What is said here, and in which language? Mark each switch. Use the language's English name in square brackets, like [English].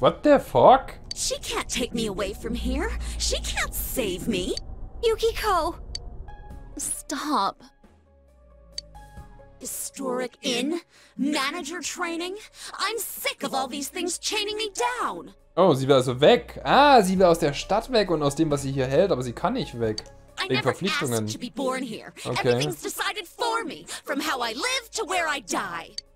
[English] What the fuck? She can't take me away from here. She can't save me. Yukiko. Stop. Historic inn? Manager training? I'm sick of all these things chaining me down. [German] Oh, sie will also weg. Ah, sie will aus der Stadt weg und aus dem, was sie hier hält, aber sie kann nicht weg. Wegen Verpflichtungen. [English] I never asked to be born here. Everything's decided for me, from how I live to where I die.